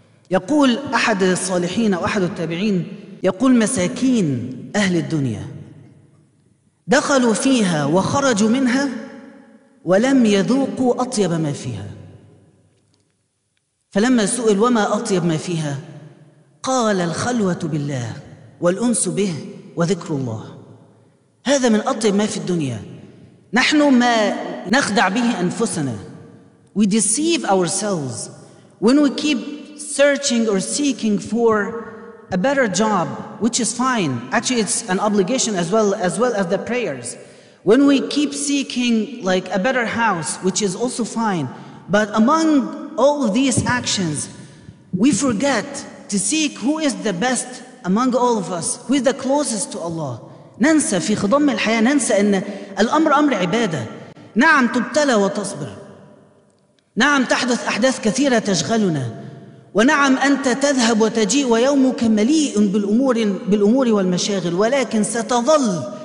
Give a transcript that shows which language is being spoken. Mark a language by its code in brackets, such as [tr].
[ar] يقول أحد الصالحين أو أحد التابعين، يقول: مساكين أهل الدنيا دخلوا فيها وخرجوا منها ولم يذوقوا أطيب ما فيها، فلما سئل: وما أطيب ما فيها؟ قال: الخلوة بالله والأنس به وذكر الله، هذا من أطيب ما في الدنيا. نحن ما نخدع به أنفسنا، [en] we deceive ourselves when we keep searching or seeking for a better job, which is fine, actually it's an obligation as well as the prayers. When we keep seeking like a better house, which is also fine, but among all of these actions we forget to seek who is the best among all of us, who is the closest to Allah. [ar] ننسى في خضم الحياة، ننسى أن الأمر أمر عبادة. نعم تبتلى وتصبر، نعم تحدث أحداث كثيرة تشغلنا، ونعم أنت تذهب وتجيء ويومك مليء بالأمور والمشاغل، ولكن ستظل